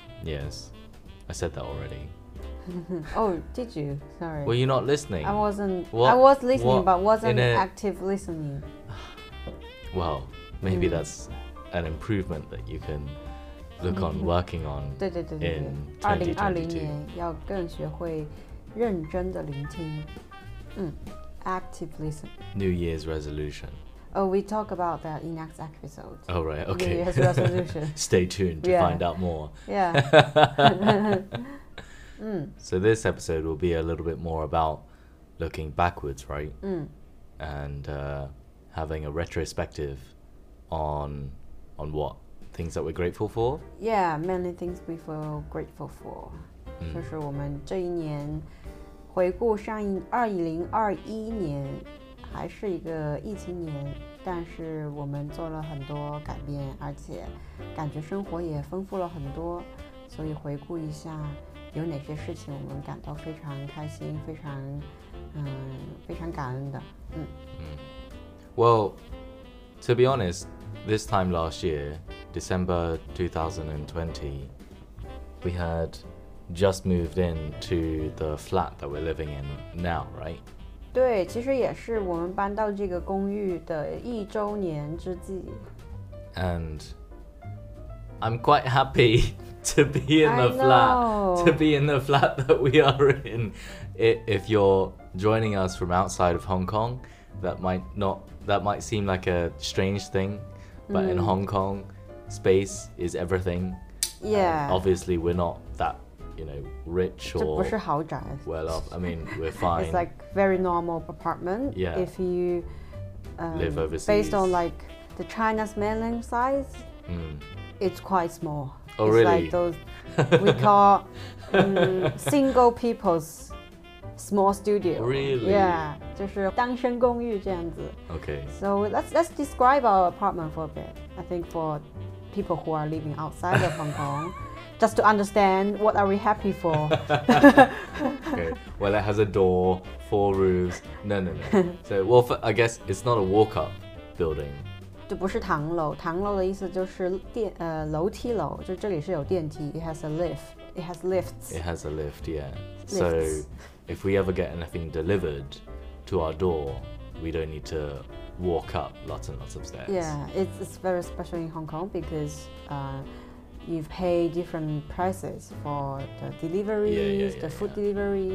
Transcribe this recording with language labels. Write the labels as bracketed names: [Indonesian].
[English] Yes. I said that already. Oh, did you? Sorry. Were you not listening? I wasn't. What? I was listening, what? But wasn't active listening. Well, maybe that's an improvement that you can look on working on. [Chinese] 对对对对对 [English] in 2022. [Chinese] 2020年要更学会认真的聆听。 [English] Active listening. New Year's resolution. Oh, we talk about that in next episode. Oh, right. Okay. New Year's resolution. Stay tuned to find out more. Yeah. So this episode will be a little bit more about looking backwards, right? And having a retrospective on what? Things that we're grateful for? Yeah, mainly things we feel grateful for. [Chinese] 就是我们这一年回顾上2021年还是一个疫情年但是我们做了很多改变而且感觉生活也丰富了很多所以回顾一下有哪些事情我们感到非常开心非常非常感恩的 [English] Well, to be honest, this time last year, December 2020, we had just moved in to the flat that we're living in now, right? [Chinese] 对，其实也是我们搬到这个公寓的一周年之际。 [English] And I'm quite happy to be in the flat, to be in the flat that we are in. If you're joining us from outside of Hong Kong, that might seem like a strange thing, but in Hong Kong, space is everything. Yeah. Obviously, we're not that, you know, rich or [Chinese] 这不是豪宅 [English] well off. I mean, we're fine. It's like very normal apartment. Yeah. If you live overseas. Based on like the China's mainland size, it's quite small. Oh, it's really? Like those we call single people's small studio. Really? Yeah, [Chinese] 就是单身公寓这样子。 [English] Okay. So let's describe our apartment for a bit. I think for people who are living outside of Hong Kong, just to understand what are we happy for. Okay. Well, it has a door, four rooms. No. So, well, I guess it's not a walk-up building. [Chinese] 就不是唐楼，唐楼的意思就是楼梯楼，就这里是有电梯。 [English] It has a lift. It has lifts. It has a lift. Yeah. Lifts. So, if we ever get anything delivered to our door, we don't need to walk up lots and lots of stairs. Yeah, it's very special in Hong Kong because you pay different prices for the deliveries, food delivery.